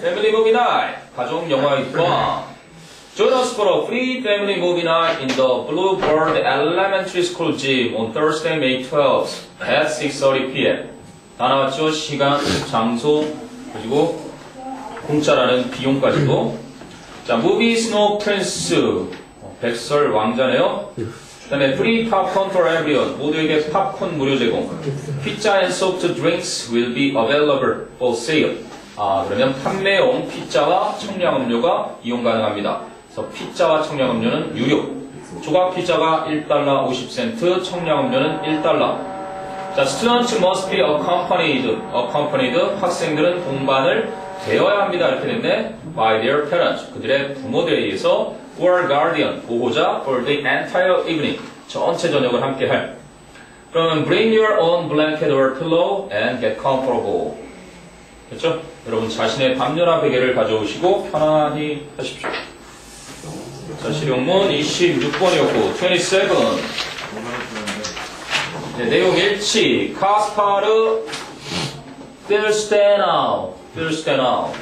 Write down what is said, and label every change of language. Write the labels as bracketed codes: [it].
[ko] 패밀리 무비 나이. 가족 영화 밤. [en] Join us for a free family movie night in the Bluebird Elementary School gym on Thursday, May 12th at 6:30 p.m. [ko] 다 나왔죠? 시간, 장소, 그리고 공짜라는 비용까지도. 자, movie Snow Prince. 백설 왕자네요. 그 다음에 [en] free popcorn for everyone. [ko] 모두에게 팝콘 무료 제공. [en] Pizza and soft drinks will be available for sale. [ko] 아, 그러면 판매용 피자와 청량음료가 이용 가능합니다. 그래서 피자와 청량음료는 유료. 조각 피자가 1달러 50센트, 청량음료는 1달러. [en] 자, students must be accompanied. Accompanied. [ko] 학생들은 동반을 되어야 합니다. 이렇게 됐네. [en] By their parents. [ko] 그들의 부모들에 의해서. [en] Or guardian. [ko] 보호자. [en] For the entire evening. [ko] 전체 저녁을 함께 할. [en] 그러면 bring your own blanket or pillow and get comfortable. [ko] 됐죠? 여러분 자신의 밤열화 베개를 가져오시고 편안히 하십시오. 자, 실용문 26번이었고 27. 네, 내용 일치. 카스파르 필스테나우. 필스테나우.